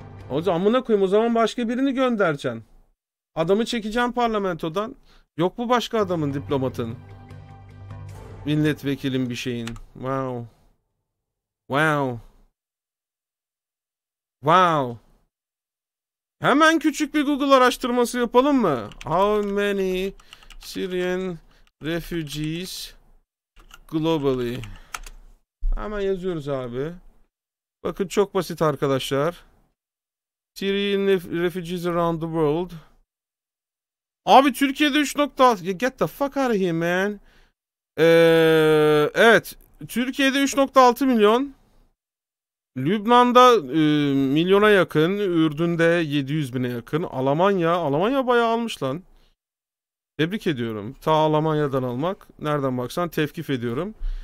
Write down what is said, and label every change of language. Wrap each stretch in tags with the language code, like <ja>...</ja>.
<tr>O zaman amına koyayım o zaman başka birini göndereceksin. Adamı çekeceğim parlamentodan. Yok bu başka adamın diplomatın. Milletvekilin bir şeyin. Wow. Wow. Wow. Hemen küçük bir Google araştırması yapalım mı?</tr> <en>How many Syrian refugees globally?</en> <tr>Hemen yazıyoruz abi. Bakın çok basit arkadaşlar.</tr> <en>Syrian refugees around the world.</en> <tr>Abi Türkiye'de 3 nokta.</tr> <en>Get the fuck out of here man.</en> <tr>Evet, Türkiye'de 3,6 milyon, Lübnan'da milyona yakın, Ürdün'de 700 bine yakın, Almanya bayağı almış lan. Tebrik ediyorum. Ta Almanya'dan almak, nereden baksan tevkif ediyorum.</tr>